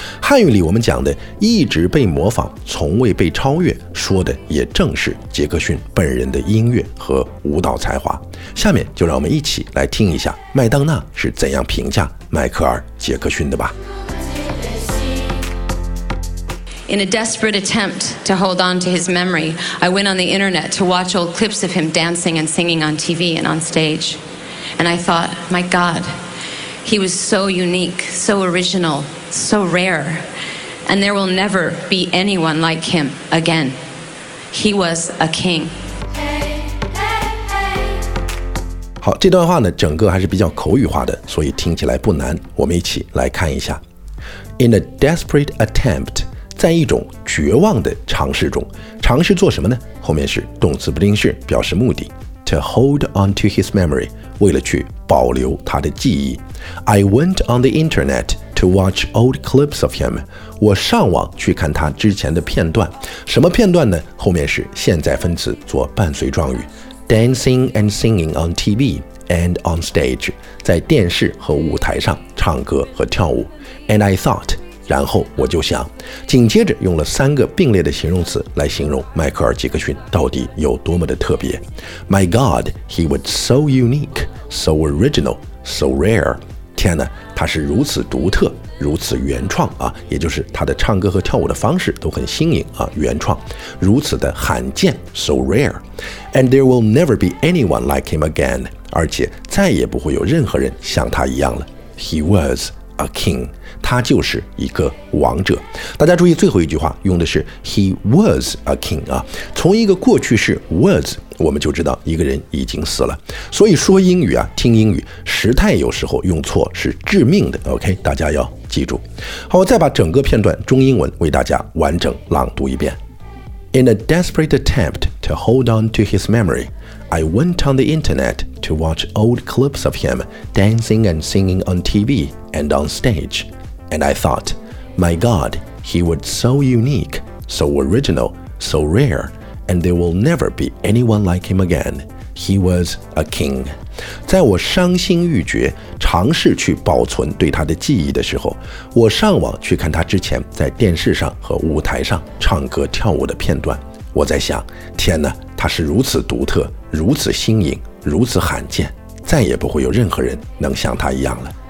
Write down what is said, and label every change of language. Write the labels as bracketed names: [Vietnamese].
[Chinese] 汉语里我们讲的一直被模仿，从未被超越，说的也正是杰克逊本人的音乐和舞蹈才华。下面就让我们一起来听一下麦当娜是怎样评价迈克尔·杰克逊的吧。 [English] In a desperate attempt to hold on to his memory, I went on the internet to watch old clips of him dancing and singing on TV and on stage. And I thought, my God, he was so unique, so original, so rare. And there will never be anyone like him again. He was a king. [Chinese] 好，这段话呢，整个还是比较口语化的，所以听起来不难。我们一起来看一下。 [English] In a desperate attempt. [Chinese] 在一种绝望的尝试中，尝试做什么呢？后面是动词不定式，表示目的。 [English] To hold on to his memory， [Chinese] 为了去保留他的记忆。 [English] I went on the internet to watch old clips of him， [Chinese] 我上网去看他之前的片段。什么片段呢？后面是现在分词做伴随状语。 [English] Dancing and singing on TV and on stage， [Chinese] 在电视和舞台上唱歌和跳舞。 [English] And I thought。 [Chinese] 然后我就想，紧接着用了三个并列的形容词来形容迈克尔·杰克逊到底有多么的特别。 [English] My God, he was so unique, so original, so rare. [Chinese] 天哪，他是如此独特，如此原创啊，也就是他的唱歌和跳舞的方式都很新颖啊，原创，如此的罕见 ， [English] so rare. And there will never be anyone like him again. [Chinese] 而且再也不会有任何人像他一样了。 [English] He was. A king， [Chinese] 他就是一个王者。大家注意最后一句话用的是 [English] he was a king [Chinese] 啊，从一个过去式 was， 我们就知道一个人已经死了。所以说英语啊，听英语时态有时候用错是致命的。 OK， 大家要记住。好，我再把整个片段中英文为大家完整朗读一遍。 [English] In a desperate attempt to hold on to his memory, I went on the internet to watch old clips of him dancing and singing on TV. And on stage, and I thought, my God, he was so unique, so original, so rare, and there will never be anyone like him again. He was a king. [Chinese] 在我伤心欲绝，尝试去保存对他的记忆的时候，我上网去看他之前在电视上和舞台上唱歌跳舞的片段。我在想，天哪，他是如此独特，如此新颖，如此罕见，再也不会有任何人能像他一样了。